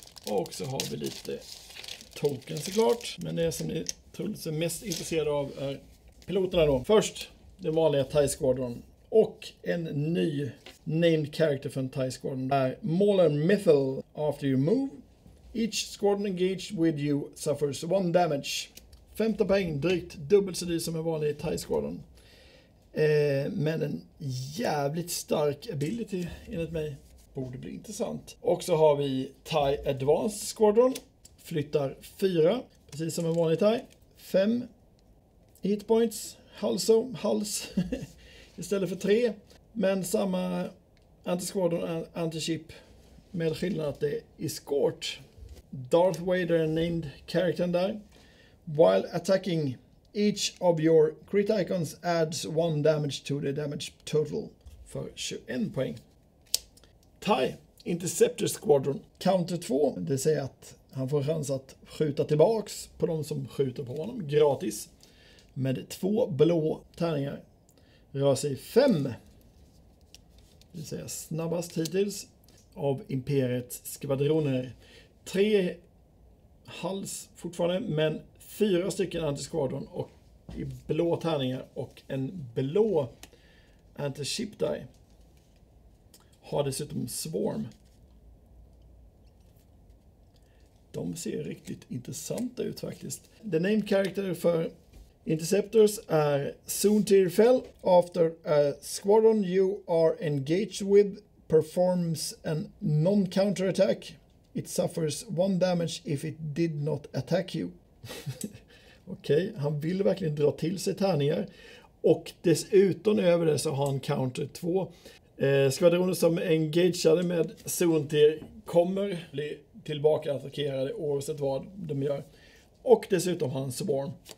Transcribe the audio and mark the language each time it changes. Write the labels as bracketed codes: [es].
[sv] Och så har vi lite token såklart. Men det som ni troligtvis är mest intresserade av är piloterna då. Först den vanliga TIE Squadron. Och en ny named character från TIE Squadron är Mauler Mithil. [en] After you move, each squadron engaged with you suffers one damage. [sv] 15 poäng, drygt dubbelt så dyr som en vanlig TIE Squadron. Men en jävligt stark ability enligt mig. Borde bli intressant. Och så har vi TIE Advanced Squadron. Flyttar 4, precis som en vanlig TIE. 5 hit points, hals. Istället för 3. Men samma anti-squadron, anti-ship. Med skillnad att det är escort. Darth Vader named character där. [en] While attacking, each of your crit icons adds one damage to the damage total. [sv] För 21 poäng. TIE Interceptor Squadron. Counter 2. Det säger att han får chans att skjuta tillbaks på de som skjuter på honom. Gratis. Med 2 blå tärningar. Rör sig 5. Det vill säga snabbast hittills. Av Imperiets skvadroner. 3 hals fortfarande. Men 4 stycken anti-squadron. Och i blå tärningar. Och en blå anti-ship die. Har dessutom swarm. De ser riktigt intressanta ut faktiskt. The named character för Interceptors är Soon Tear Fell. [en] After a squadron you are engaged with performs a non-counter attack. It suffers one damage if it did not attack you. [sv] Okej, okay, han vill verkligen dra till sig tärningar. Och dessutom över det så har han counter 2. Skvadroner som engagerade med Soon Tear kommer bli tillbaka attackerade oavsett vad de gör. Och dessutom har han swarm.